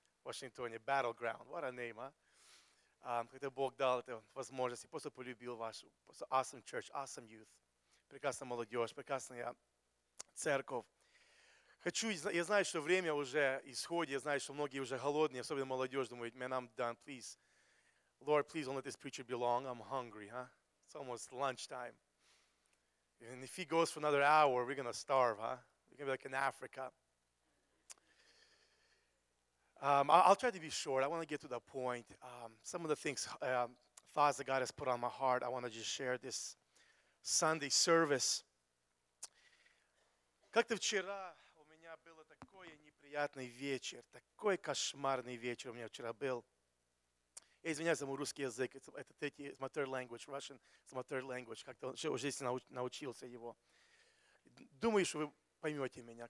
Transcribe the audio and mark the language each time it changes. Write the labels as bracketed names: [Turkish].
[Russian] В Вашингтоне. Battleground. [English] What a name, [Russian] а? Когда Бог дал эту возможность, я просто полюбил вашу. Просто [English] awesome church, awesome youth. [Russian] Прекрасная молодежь, прекрасная церковь. Хочу, я знаю, что время уже исходит, я знаю, что многие уже голодные, особенно молодежь, думают, [English] man, I'm done, please. Lord, please don't let this preacher be long. I'm hungry, huh? It's almost lunchtime. And if he goes for another hour, we're going to starve, huh? We're going to be like in Africa. I'll try to be short. I want to get to the point. Some of the things, thoughts that God has put on my heart, I want to just share this Sunday service. [Russian] Как-то вчера у меня был такой неприятный вечер, такой кошмарный вечер у меня вчера был. Я извиняюсь за мой русский язык, это третий, [English] it's my third language, Russian, it's my third language. [Russian] Как-то уже здесь научился его. Думаю, что вы поймете меня.